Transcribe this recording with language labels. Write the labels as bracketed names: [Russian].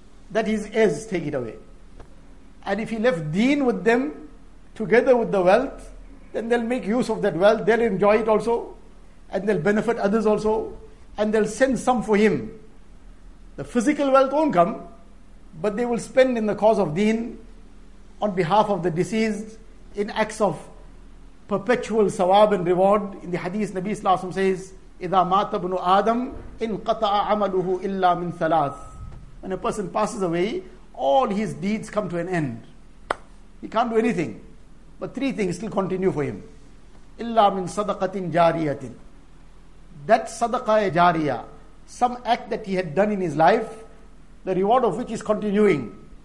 [English] That his heirs take it away. And if he left deen with them, together with the wealth, then they'll make use of that wealth, they'll enjoy it also, and they'll benefit others also, and they'll send some for him. The physical wealth won't come, but they will spend in the cause of deen, on behalf of the deceased, in acts of perpetual sawab and reward. [Arabic] In the hadith, Nabi Sallallahu Alaihi Wasallam says, إِذَا مَاتَ بْنُ آدَمْ إِنْ قَطَعَ عَمَلُهُ إِلَّا مِنْ ثَلَاثٍ. [English] When a person passes away, all his deeds come to an end. He can't do anything. But three things still continue for him. [Arabic] إِلَّا مِنْ صَدَقَةٍ جَارِيَةٍ. [English] That [Arabic] صَدَقَةَ جَارِيَةٍ, [English] some act that he had done in his life, the reward of which is continuing.